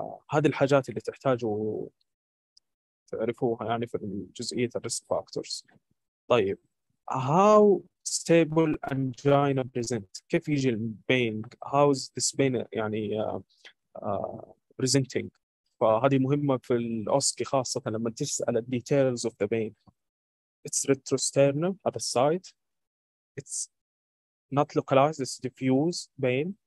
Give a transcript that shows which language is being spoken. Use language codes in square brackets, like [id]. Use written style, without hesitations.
[ar] هذه الحاجات اللي تحتاجوا تعرفوها يعني في جزئية الريسك فاكتورز. [en] طيب how stable angina present, [ar] كيف يجي البين, [en] how is this pain يعني presenting. ف [ar] فهذه مهمة في الأوسكي خاصة لما تسأل الـ [en] details of the pain. It's retrosternum at the side. It's not localized, it's diffuse pain.